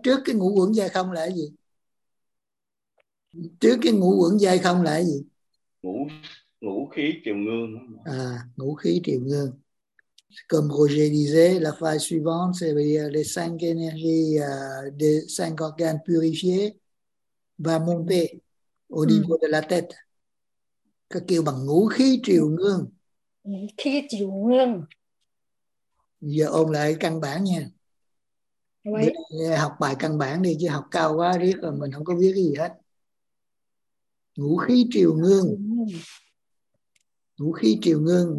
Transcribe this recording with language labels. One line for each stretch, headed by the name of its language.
Vietnamese: Trước cái ngũ quẩn dây không là cái gì? Trước cái ngũ quẩn dây không là cái gì? Ngũ khí triều ngương. Ngũ khí triều ngương.
French: Comme Roger disait, la phase suivante, c'est les cinq énergies des cinq organes purifiés va monter au niveau de la tête.
Vietnamese: Cái kêu bằng ngũ khí triều ngương. Ngũ khí triều ngương. Giờ ôn lại căn bản nha. Để học bài căn bản đi, chứ học cao quá riết rồi mình không có biết cái gì hết. Ngũ khí triều ngương. Ngũ khí triều ngương.